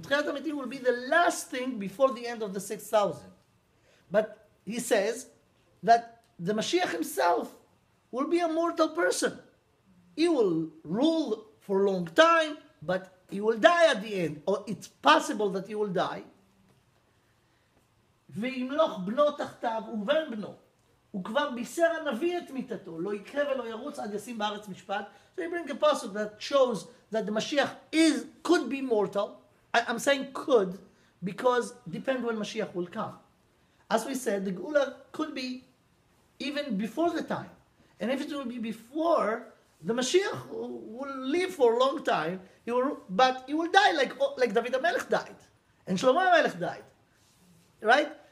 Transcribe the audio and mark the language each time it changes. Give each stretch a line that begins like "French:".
English: Tchiyat HaMeitim will be the last thing before the end of the 6,000. But he says that the Mashiach himself will be a mortal person. He will rule for a long time, but he will die at the end. Or it's possible that he will die.
Hebrew: וימלוך בנו תחתיו ובן בנו. הוא כבר בישר הנביא את מיתתו. לא יקרה ולא ירוץ עד ישים בארץ משפט.
English: So he brings a passage that shows that the Mashiach is, could be mortal. I'm saying could, because depend when Mashiach will come. As we said, the Geula could be even before the time. And if it will be before, the Mashiach will live for a long time, but he will die like David HaMelech died, and Shlomo HaMelech died, right?